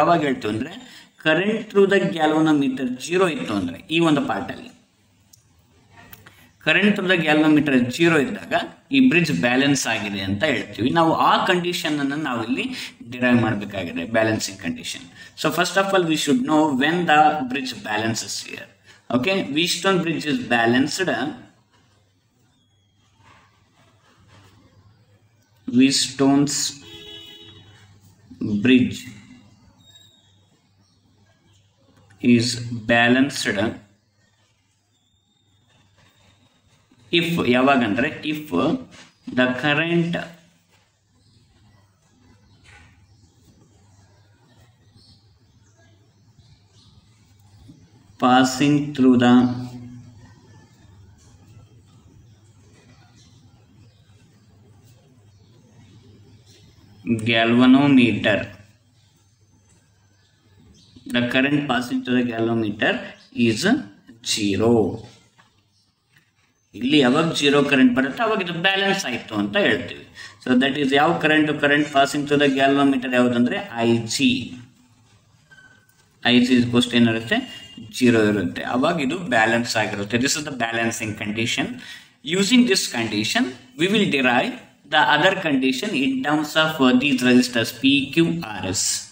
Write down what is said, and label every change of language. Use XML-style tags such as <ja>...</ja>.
<kn>ಯಾವಾಗ ಹೇಳ್ತೀವಿ ಅಂದರೆ</kn> <en>current through the galvanometer</en> <kn>zero ಇತ್ತು ಅಂದರೆ, ಈ ಒಂದು ಪಾರ್ಟಲ್ಲಿ current through the galvanometer zero ಇದ್ದಾಗ ಈ ಬ್ರಿಡ್ಜ್ ಬ್ಯಾಲೆನ್ಸ್ ಆಗಿದೆ ಅಂತ ಹೇಳ್ತೀವಿ. ನಾವು ಆ ಕಂಡೀಷನನ್ನು ನಾವು ಇಲ್ಲಿ ಡಿರೈವ್ ಮಾಡಬೇಕಾಗಿದೆ, balancing condition.</kn> <en>So first of all we should know when the bridge balances here. Okay, Wheatstone bridge is balanced Wheatstone's bridge is balanced if</en> <kn>yavaga andre</kn> <en>if the current passing through the galvanometer the current passing through the galvanometer is zero.</en> <kn>ಇಲ್ಲಿ ಯಾವಾಗ zero current ಬರುತ್ತೆ ಅವಾಗ ಇದು balance ಆಯಿತು ಅಂತ ಹೇಳ್ತೀವಿ.</kn> <en>so that is</en> <kn>ಯಾವ current,</kn> <en>Current passing through the galvanometer ಯಾವುದಂದ್ರೆ I G.</en> <kn>I G coast ಏನಿರುತ್ತೆ, ಜೀರೋ ಇರುತ್ತೆ, ಅವಾಗ ಇದು ಬ್ಯಾಲೆನ್ಸ್ ಆಗಿರುತ್ತೆ.</kn> <en>This is the balancing condition. Using this condition we will derive the other condition in terms of these resistors P Q R S.</en>